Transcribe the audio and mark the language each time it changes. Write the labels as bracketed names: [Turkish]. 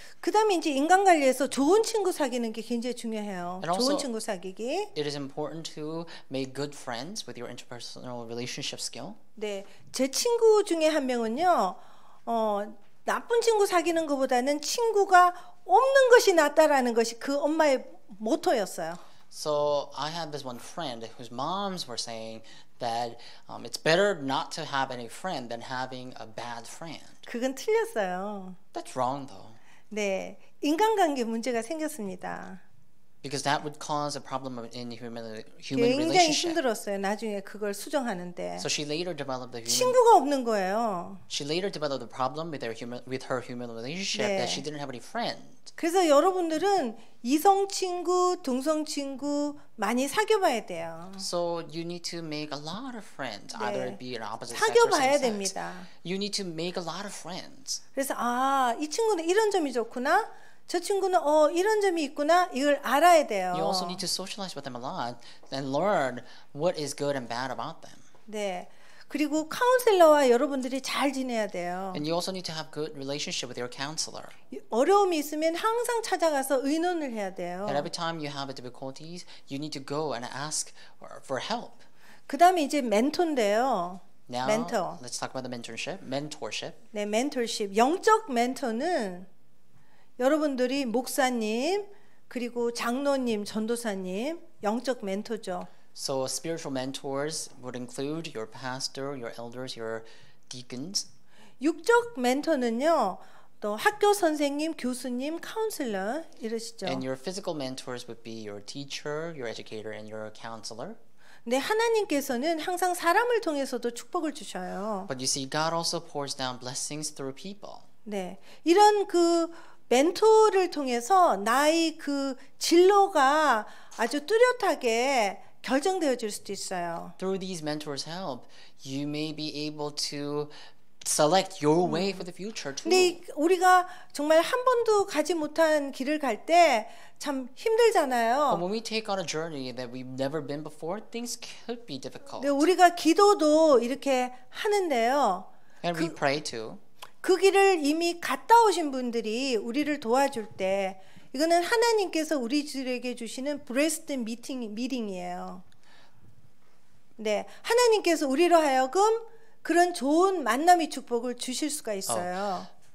[Korean] 그다음에 이제 인간 관리에서 좋은 친구 사귀는 게 굉장히 중요해요. [English] And [Korean] 좋은 [English] also, [Korean] 친구 사귀기. [English] It is important to make good friends with your interpersonal relationship skill. [Korean] 네. 제 친구 중에 한 명은요. 나쁜 친구 사귀는 것보다는 친구가 없는 것이 낫다라는 것이 그 엄마의 모토였어요. [English] So I had this one friend whose moms were saying that it's better not to have any friend than having a bad friend. [Korean] 그건 틀렸어요. [English] That's wrong though. [Korean] 네, 인간관계 문제가 생겼습니다. [English] Because that would cause a problem in human relationship. [Korean] 굉장히 힘들었어요. 나중에 그걸 수정하는데. [English] So she later developed the human. [Korean] 친구가 없는 거예요. [English] She later developed the problem with her human relationship [Korean] 네. [English] that she didn't have any friends. [Korean] 그래서 여러분들은 이성 친구, 동성 친구 많이 사귀어봐야 돼요. [English] So you need to make a lot of friends, [Korean] 네. [English] either it be an opposite sex. [Korean] 사귀어봐야 됩니다. [English] You need to make a lot of friends. [Korean] 그래서 아, 이 친구는 이런 점이 좋구나. 저 친구는 이런 점이 있구나 이걸 알아야 돼요. [English] You also need to socialize with them a lot and learn what is good and bad about them. [Korean] 네. 그리고 카운셀러와 여러분들이 잘 지내야 돼요. [English] And you also need to have good relationship with your counselor. [Korean] 어려움이 있으면 항상 찾아가서 의논을 해야 돼요. [English] And every time you have difficulties, you need to go and ask for help. [Korean] 그다음에 이제 멘토인데요. [English] Now, [Korean] 멘토. [English] Let's talk about the mentorship. Mentorship. [Korean] 네, mentorship. 영적 멘토는 여러분들이 목사님 그리고 장로님, 전도사님 영적 멘토죠. [English] So spiritual mentors would include your pastor, your elders, your deacons. [Korean] 육적 멘토는요. 또 학교 선생님, 교수님, 카운슬러 이러시죠. [English] And your physical mentors would be your teacher, your educator and your counselor. [Korean] 근데 하나님께서는 항상 사람을 통해서도 축복을 주셔요. [English] But you see God also pours down blessings through people. [Korean] 네. 이런 그 멘토를 통해서 나의 그 진로가 아주 뚜렷하게 결정되어질 수도 있어요. [English] Through these mentors' help, you may be able to select your way for the future too. [Korean] 근데 우리가 정말 한 번도 가지 못한 길을 갈 때 참 힘들잖아요. [English] But when we take on a journey that we've never been before, things could be difficult. [Korean] 근데 우리가 기도도 이렇게 하는데요. [English] And we pray too. [Korean] 그 길을 이미 갔다 오신 분들이 우리를 도와줄 때 이거는 하나님께서 우리들에게 주시는 [English] blessed meeting [Korean] 이에요. 네, 하나님께서 우리로 하여금 그런 좋은 만남의 축복을 주실 수가 있어요.